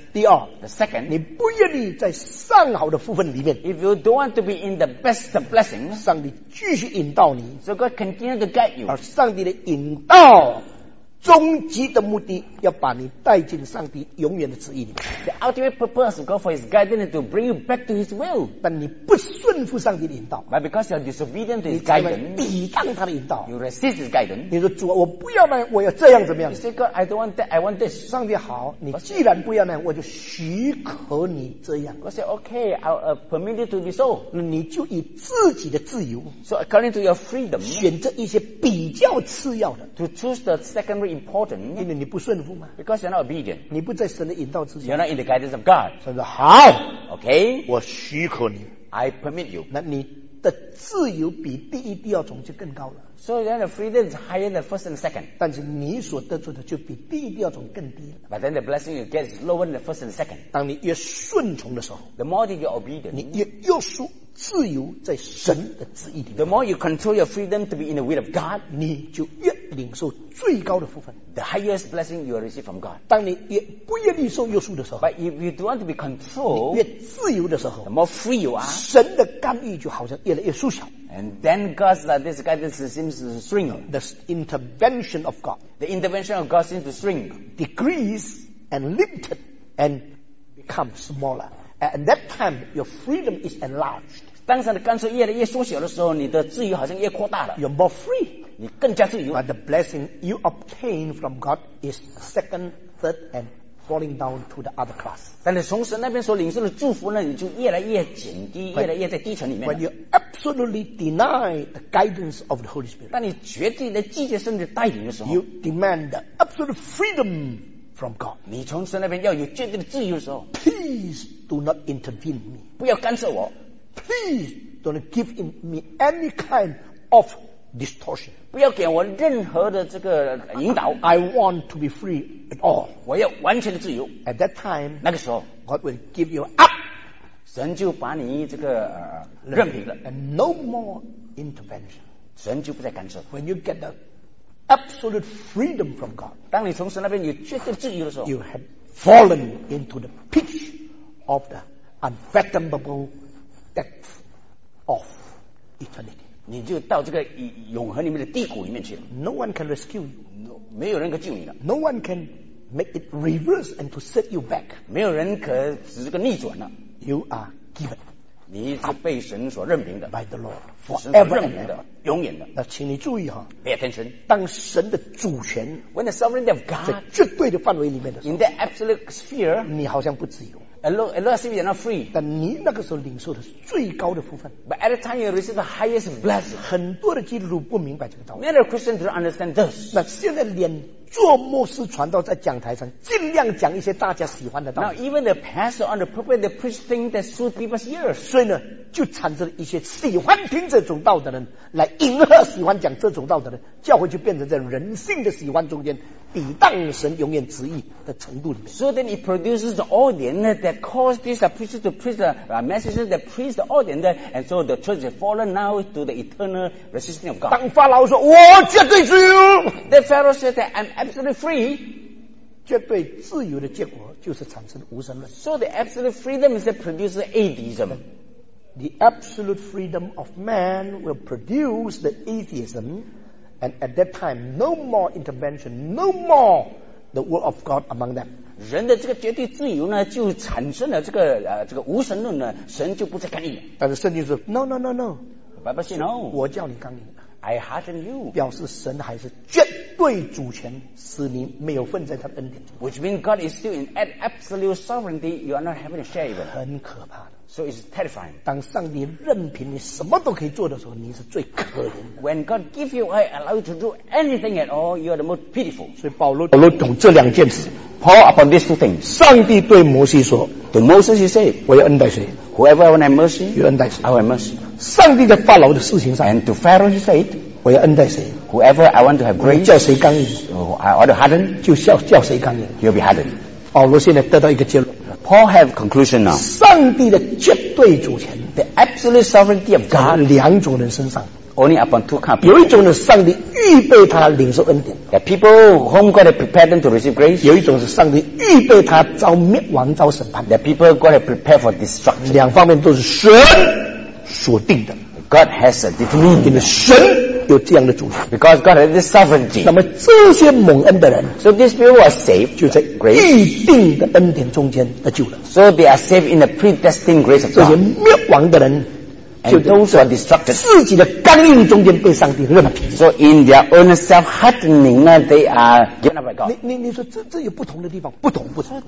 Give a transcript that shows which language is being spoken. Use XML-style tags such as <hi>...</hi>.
<zh>第二</zh> <en>，the second，</en> <zh>你不愿意在上好的福分里面。</zh> <en>If you don't want to be in the best blessing，</en> <zh>上帝继续引导你。</zh> <en>So God continue to guide you。</en> <zh>而上帝的引导，终极的目的要把你带进上帝永远的旨意里面。</zh> <en>The ultimate purpose of God for His guidance is to bring you back to His will。</en> <zh>但你不顺服上帝的引导</zh> <en>，But because you're disobedient to His guidance，</en> <zh>你抵挡他的引导</zh> <en>，You resist His guidance。</en> <zh>你说主啊，我不要那样，我要这样怎么样</zh> <en>？You say God， I don't want that， I want this。</en> <zh>上帝好，你既然不要那样，我就许可你这样。</zh> <en>God say okay， I'll permit you to be so。</en> <zh>那你就以自己的自由</zh> <en>，So according to your freedom，</en> <zh>选择一些比较次要的</zh> <en>，To choose the secondary。 Important,</en> <zh>因为你不顺服嘛</zh> <en>，because you're not obedient，</en> <zh>你不在神的引导之下</zh> <en>，you're not in the guidance of God。</en> <zh>神说好</zh> <en>，OK，</en> <zh>我许可你</zh> <en>，I permit you。</en> <zh>那你的自由比第一、第二种就更高了</zh> <en>，so then the freedom is higher than the first and the second。</en> <zh>但是你所得罪的就比第一、第二种更低了</zh> <en>，but then the blessing you get is lower than the first and the second。</en> <zh>当你越顺从的时候</zh> <en>，the more that you're obedient，</en> <zh>你越约束。自由在神的旨意里面。</zh> <en>The more you control your freedom to be in the will of God，</en> <zh>你就越领受最高的福分。</zh> <en>The highest blessing you will receive from God。</en> <zh>当你也不愿意受约束的时候</zh> <en>，But if you don't want to be controlled，</en> <zh>你越自由的时候</zh> <en>，The more free you are，</en> <zh>神的干预就好像越来越缩小。</zh> <en>And then God's like this guidance seems to shrink。 The intervention of God， The intervention of God seems to shrink， Decrease and limited and become smaller。 At that time, your freedom is enlarged.</en> <zh>当神的干涉越来越缩小的时候，你的自由好像越扩大了。</zh> <en>You're more free.</en> <zh>你更加自由。</zh> <en>But the blessing you obtain from God is second, third, and falling down to the other class.</en> <zh>但是从神那边所领受的祝福呢，你就越来越减低，</zh> <en>but,</en> <zh>越来越在低层里面。</zh> <en>When you absolutely deny the guidance of the Holy Spirit,</en> <zh>当你决定的拒绝神的带领的时候</zh> <en>，you demand the absolute freedom. From God，</en> <zh>你从神那边要有绝对的自由的时候</zh> <en>，Please do not intervene me，</en> <zh>不要干涉我</zh> <en>，Please don't give in me any kind of distortion，</en> <zh>不要给我任何的这个引导</zh> <en>，I want to be free at all，</en> <zh>我要完全的自由</zh> <en>，At that time，</en> <zh>那个时候</zh> <en>，God will give you up，</en> <zh>神就把你这个任凭了</zh> <en>，And no more intervention，</en> <zh>神就不再干涉</zh> <en>，When you get theAbsolute freedom from God.</en> <zh>当你从神那边有绝对自由的时候</zh> <en>，You have fallen into the pitch of the unfathomable depth of eternity.</en> <zh>你就到这个永恒里面的低谷里面去了。</zh> <en>No one can rescue you. No,</en> <zh>没有人可救你了。</zh> <en>No one can make it reverse and to set you back.</en> <zh>没有人可使这个逆转了。</zh> <en>You are given.</en> <zh>你是被神所任凭的。</zh> <en>By the Lord. Forever and ever，</en> <zh>永远的。那请你注意哈</zh> <en>，Pay attention。</en> <zh>当神的主权</zh> <en>，When the sovereignty of God，</en> <zh>在绝对的范围里面的</zh> <en>，In the absolute sphere，</en> <zh>你好像不自由。</zh> <en>Although seems you're not free，</en> <zh>但你那个时候领受的是最高的福分。</zh> <en>But at the time you receive the highest blessing。</en> <zh>很多的基督徒不明白这个道理。</zh> <en>Many Christians don't understand this。</en> <zh>那现在连做牧师传道在讲台上，尽量讲一些大家喜欢的道理。</zh> <en>Now even the pastor on the pulpit they preach things that suit people's ears。</en> <zh>所以呢，就产生了一些喜欢听这种道的人，来迎合喜欢讲这种道的人，教会就变成在人性的喜欢中间，抵挡神永远旨意的程度里面。</zh> <en>So then it produces the audience that caused this preacher to preach the message that pleased the audience, and so the church has fallen now to the eternal resisting of God.</en> <zh>当法老说我绝对自由</zh> <en>，The Pharaoh said that I'm absolutely free.</en> <zh>绝对自由的结果就是产生无神论。</zh> <en>So the absolute freedom is that produces atheism. The absolute freedom of man will produce the atheism, and at that time, no more intervention, no more the will of God among them.</en> <zh>人的这个绝对自由呢，就产生了这个这个无神论呢，神就不再干预。但是圣经说 ，</zh> <en>No, no, no, no. Bible says no.</en> <zh>我叫你干预。</zh> <en>I harden you.</en> <zh>表示神还是绝对主权，使你没有份在他的恩典中。</zh> <en>Which means God is still in absolute sovereignty. You are not having a share even.</en> <zh>很可怕的。</zh> <en>So it's terrifying.</en> <zh>当上帝任凭你什么都可以做的时候，你是最可怜的。</zh> <en>When God give you, I allow you to do anything at all, you are the most pitiful.</en> <zh>所以保罗懂这两件事。</zh> <en>Paul upon these two things.</en> <zh>上帝对摩西说</zh> <en>，To Moses he said,</en> <zh>我要恩待谁</zh> <en>？Whoever I want have mercy,</en> <zh>有恩待谁</zh> <en>？I want mercy.</en> <zh>上帝在法老的事情上</zh> <en>，And to Pharaoh he said,</en> <zh>我要恩待谁</zh> <en>？Whoever I want to have grace,</en> <zh>叫谁刚硬</zh> <en>？I want to harden,</en> <zh>就叫谁刚硬</zh> <en>？You'll be hardened.</en> <zh>保罗现在得到一个结论。</zh> <en>Paul have conclusion now.</en> <zh>上帝的绝对主权</zh> <en>the absolute sovereignty of God,</en> <zh>两种人身上</zh> <en>only upon two kinds.</en> <zh>有一种是上帝预备他领受恩典。</zh> <en>The people whom God has prepared them to receive grace.</en> <zh>有一种是上帝预备他遭灭亡遭审判。</zh> <en>The people God has prepared for destruction.</en> <zh>两方面都是神所定的。</zh> <en>God has a determined.</en> <zh>因为神有这样的主权。</zh> <en>Because God has this sovereignty.</en> <zh>那么这些蒙恩的人</zh> <en>，So these people are saved.</en> <zh>就在预定的恩典中间得救了。</zh> <en>So they are saved in the predestined grace of God.</en> <zh>这些灭亡的人。</zh> <en>And those are destructed.</en> <zh>自己的刚硬中间被上帝任凭。</zh> <en>So in their own self-hardening, they are given up by God.</en> <zh>你说这有不同的地方，不同不同。</zh>